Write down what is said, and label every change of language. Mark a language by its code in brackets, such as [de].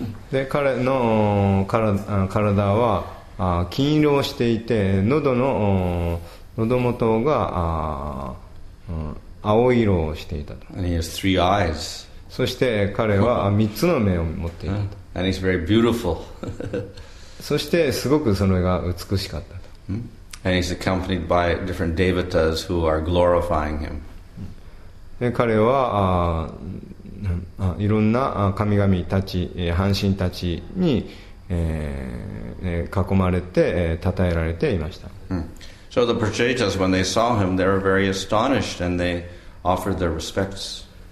[ja] で彼の体は金色をしていて、喉元が青色をしていたと。 [en] And he has three eyes. [ja] そして彼は3つの目を持っていたと。 [en] And he's very beautiful. [ja] そしてすごくそれが美しかったと。 [en] And he's accompanied by different devatas who are glorifying him. [ja] で彼はいろんな神々たち、半神たちに囲まれて讃えられていました。 [en] So the Prajetas, when they saw him, they were very astonished and they offered their respects.